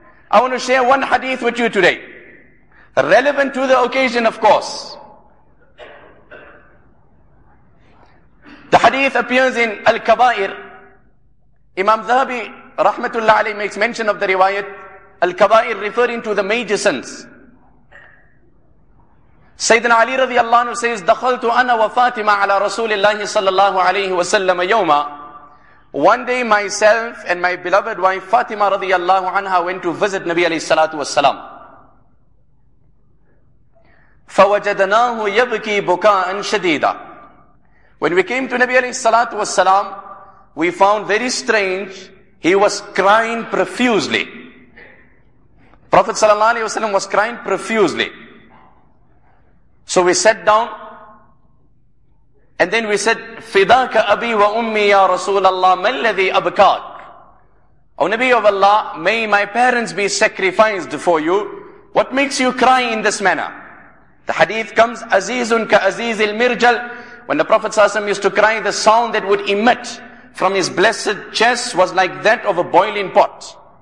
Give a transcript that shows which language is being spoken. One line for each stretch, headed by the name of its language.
English: I want to share one hadith with you today, relevant to the occasion, of course. The hadith appears in Al-Kabair. Imam Zahabi, rahmatullah alayhi, makes mention of the riwayat, Al-Kabair, referring to the major sins.
Arabic: Sayyidina Ali radiallahu anhu
English: says,
Arabic: دَخَلْتُ أَنَا وَفَاتِمَا عَلَىٰ رَسُولِ اللَّهِ صَلَّى اللَّهُ عَلَيْهِ وَسَلَّمَ يَوْمًا.
English: One day myself and my beloved wife Fatima radiallahu anha went to visit Nabi alayhi salatu wasalam.
Arabic: فَوَجَدَنَاهُ يَبْكِي بُكَاءً شَدِيدًا.
English: When we came to Nabi alayhi salatu wasalam, we found very strange, he was crying profusely. Prophet sallallahu alayhi wasalam was crying profusely. So we sat down. And then we said,
Arabic: فِدَاكَ أَبِي وَأُمِّي يَا رَسُولَ اللَّهِ مَا الَّذِي أَبْكَاكَ.
English: O Nabi of Allah, may my parents be sacrificed for you. What makes you cry in this manner? The hadith comes,
Arabic: Azizun ka Azizil Mirjal.
English: When the Prophet ﷺ used to cry, the sound that would emit from his blessed chest was like that of a boiling pot.